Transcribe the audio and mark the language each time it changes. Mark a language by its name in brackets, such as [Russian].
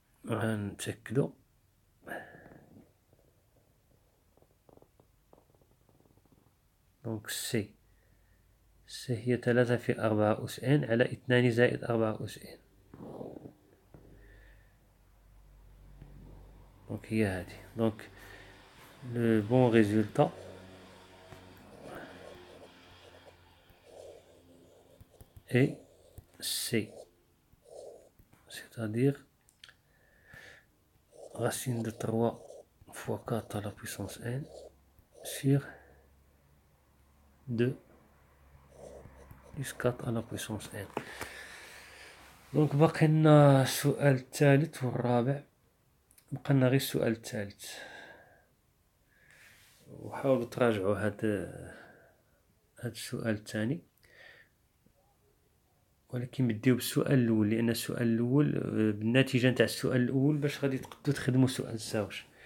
[Arabic] هنتأكدوا دونك سي، سي هي ثلاثة في أربعة أس إن على اثنان زائد أربعة أس إن. دونك هي هادي، دونك [French] لو بون ريزولتا et c, c'est-à-dire racine de 3 fois 4 à la puissance n sur 2 plus 4 à la puissance n. Donc maintenant [Arabic] سؤال الثالث والرابع، بقينا غير السؤال الثالث. وحاولوا تراجعوا هذا السؤال الثاني، ولكن بديو بالسؤال الاول، لان السؤال الاول بالنتيجه نتاع السؤال الاول باش غادي تقدروا تخدموا سؤال الزوج.